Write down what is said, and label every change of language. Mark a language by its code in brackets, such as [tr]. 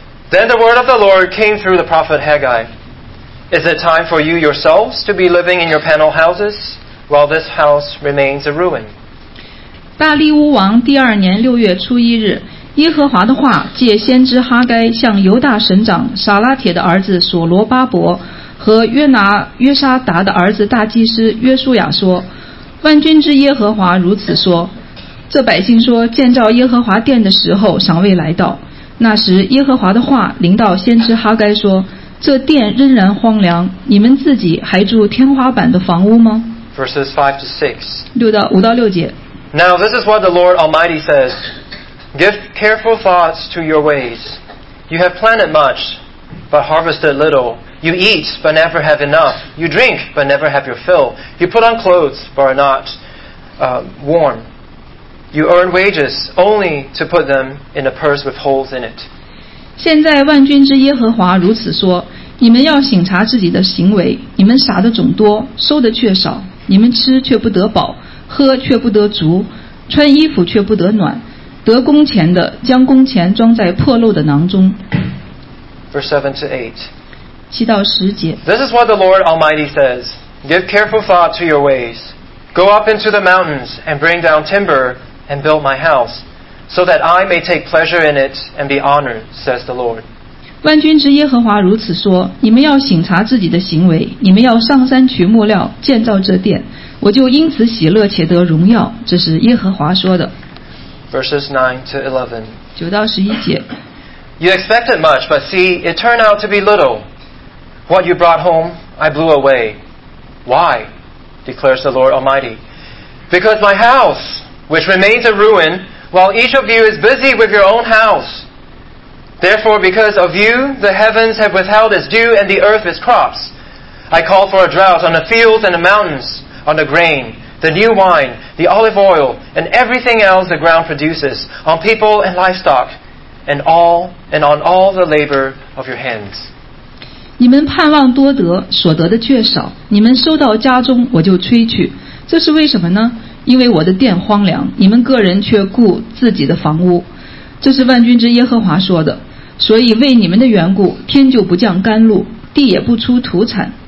[en] Then the word of the Lord came through the prophet Haggai. Is it time for you yourselves to be living in your panel houses while this house remains a ruin? [zh] 大利乌王第二年六月初一日，耶和华的话借先知哈该向犹大省长撒拉铁的儿子所罗巴伯和约沙达的儿子大祭司约书亚说：万军之耶和华如此说，这百姓说建造耶和华殿的时候尚未来到。那时耶和华的话临到先知哈该说，这殿仍然荒凉，你们自己还住天花板的房屋吗？ [en] Verses 5 to 6. [zh] 5到6节。 [en] Now this is what the Lord Almighty says. Give careful thoughts to your ways. You have planted much, but harvested little. You eat, but never have enough. You drink, but never have your fill. You put on clothes, but are not warm. You earn wages, only to put them in a purse with holes in it. [zh] 现在万军之耶和华如此说，你们要省察自己的行为，你们撒的种多，收的却少，你们吃却不得饱，喝却不得足，穿衣服却不得暖，得工钱的将工钱装在破漏的囊中。 [en] Verse 7 to 8. [zh] 七到十节。 [en] This is what the Lord Almighty says. Give careful thought to your ways. Go up into the mountains and bring down timber and build my houseSo that I may take pleasure in it and be honored, says the Lord. [zh] 万军之耶和华如此说，你们要省察自己的行为，你们要上山取木料建造这殿，我就因此喜乐且得荣耀，这是耶和华说的。 [en] Verses 9 to 11. [zh] 九到十一节。 [en] You expected much, but see, it turned out to be little. What you brought home, I blew away. Why? declares the Lord Almighty. Because my house, which remains a ruin,While each of you is busy with your own house. Therefore, because of you, the heavens have withheld its dew and the earth its crops. I call for a drought on the fields and the mountains, on the grain, the new wine, the olive oil, and everything else the ground produces, on people and livestock, and on all the labor of your hands. [zh] 你们盼望多得，所得的却少。你们收到家中，我就吹去。这是为什么呢？因为我的殿荒凉，你们个人却顾自己的房屋，这是万军之耶和华说的。所以为你们的缘故，天就不降甘露，地也不出土产。